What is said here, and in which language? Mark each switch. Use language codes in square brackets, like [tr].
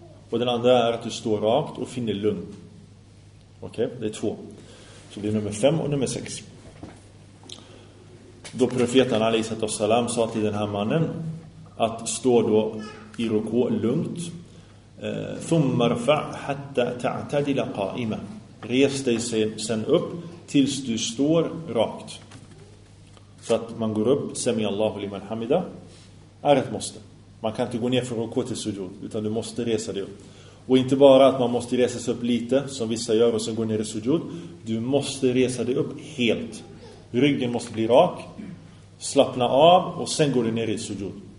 [sv] Och den andra är att du står rakt och finner lugn. Okej, det är två. Så det är nummer 5 och nummer 6. Då profeten a.s. sa till den här mannen att stå då i ruku lugnt. [ar] ثُمَّ رَفَعْ حَتَّى تَعْتَدِلَ قَائِمًا. [sv] Res dig sen upp tills du står rakt. Så att man går upp, [ar] sami Allahu liman hamida, [sv] är ett måste. Man kan inte gå ner för rukå till sujud, utan du måste resa dig upp. Och inte bara att man måste resa sig upp lite, som vissa gör, och sen går ner i sujud. Du måste resa dig upp helt. Ryggen måste bli rak, slappna av, och sen går du ner i sujud.